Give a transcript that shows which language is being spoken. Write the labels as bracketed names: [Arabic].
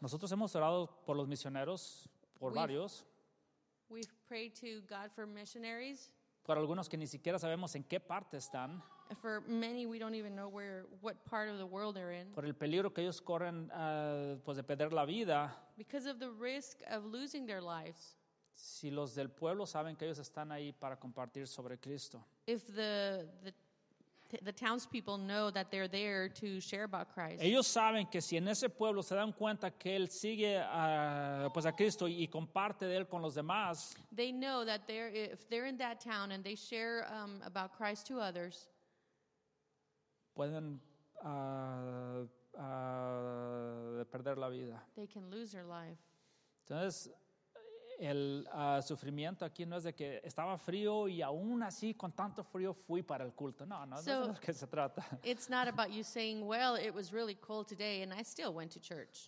[Spanish] Nosotros hemos orado por los misioneros, por varios. [English] We've prayed to God for missionaries. [Spanish] Para algunos que ni siquiera sabemos en qué parte están. [English] For many, we don't even know where, what part of the world they're in. [Spanish] Por el peligro que ellos corren, pues de perder la vida. [English] Because of the risk of losing their lives. [Spanish] Si los del pueblo saben que ellos están ahí para compartir sobre Cristo. [English] If the townspeople know that they're there to share about Christ. [Spanish] Ellos saben que si en ese pueblo se dan cuenta que él sigue pues a Cristo y comparte de él con los demás. [English] They know that they're, if they're in that town and they share about Christ to others. [Spanish] Pueden perder la vida. [English] They can lose their life. [Spanish] Entonces, el sufrimiento aquí no es de que estaba frío y aún así con tanto frío fui para el culto. No, no, [English] so, [Spanish] no es de lo que se trata. [English] It's not about you saying, well, it was really cold today and I still went to church.